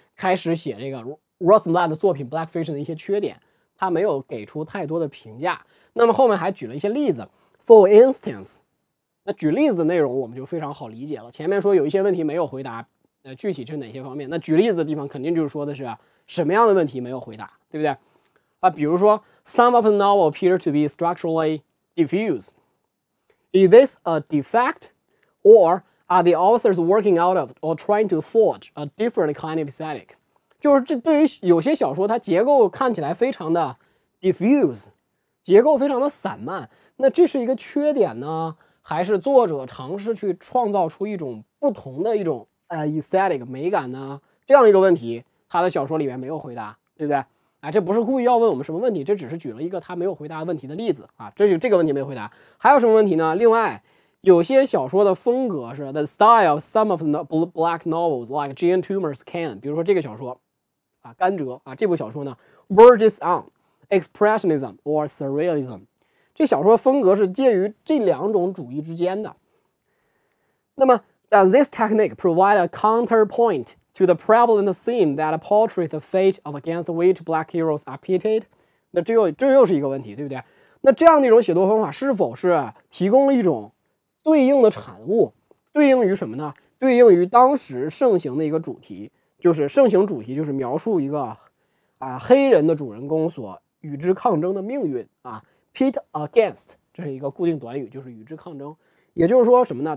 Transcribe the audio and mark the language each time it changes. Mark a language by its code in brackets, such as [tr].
[zh] 开始写这个 Rosenblatt 的作品 Black Fiction 的一些缺点，他没有给出太多的评价。那么后面还举了一些例子， [en] For instance， [zh] 那举例子的内容我们就非常好理解了。前面说有一些问题没有回答，具体是哪些方面？那举例子的地方肯定就是说的是什么样的问题没有回答，对不对？啊，比如说 [en] Some of the novel appear to be structurally diffuse. Is this a defect or are the authors working out of or trying to forge a different kind of aesthetic? [zh] 就是这对于有些小说它结构看起来非常的 diffuse， 结构非常的散漫，那这是一个缺点呢，还是作者尝试去创造出一种不同的一种aesthetic 美感呢？这样一个问题他的小说里面没有回答，对不对？这不是故意要问我们什么问题，这只是举了一个他没有回答问题的例子啊。这个问题没回答。还有什么问题呢？另外有些小说的风格是 [en] the style of some of the black novels like Jane Toomer's Can， [zh] 比如说这个小说啊，甘蔗啊，这部小说呢 [en] verges on expressionism or surrealism， [zh] 这小说风格是介于这两种主义之间的。那么 [en] does this technique provide a counterpoint to the prevalent theme that portrays the fate of against which black heroes are pitted？ [zh] 那这又是一个问题，对不对？那这样的一种写作方法是否是提供了一种对应的产物，对应于什么呢？对应于当时盛行的一个主题，就是盛行主题就是描述一个黑人的主人公所与之抗争的命运啊， [en] pit against， [zh] 这是一个固定短语，就是与之抗争。也就是说什么呢？